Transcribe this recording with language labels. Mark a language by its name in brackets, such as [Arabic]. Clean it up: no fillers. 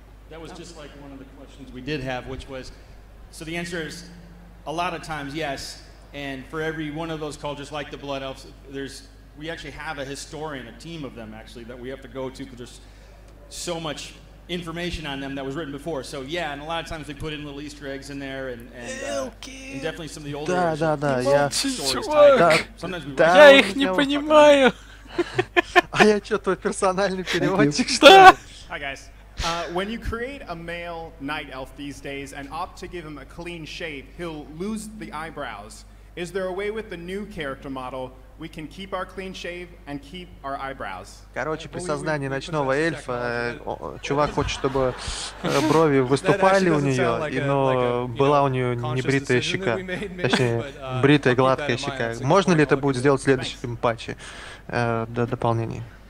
[English] That was just like one of the questions we did have, which was, so the answer is a lot of times, yes, and for every one of those cultures, like the Blood Elves, there's we actually have a historian, a team of them actually, that we have to go to because there's so much information on them that was written before. So yeah, and a lot of times they put in little Easter eggs in there and definitely some of the older stories. [Russian] Я их не понимаю. А я что, твой персональный переводчик? Что? [English] Hi guys. When you create a male night elf these days and opt to give him a clean shave, he'll lose the eyebrows. Is there a way with the new character model we can keep our clean shave and keep our eyebrows? [Russian] Короче, при сознании ночного эльфа чувак хочет, чтобы брови выступали у нее, но была у нее небритая щека. Точнее, бритая гладкая щека. Можно ли это будет сделать в следующем патче до дополнений?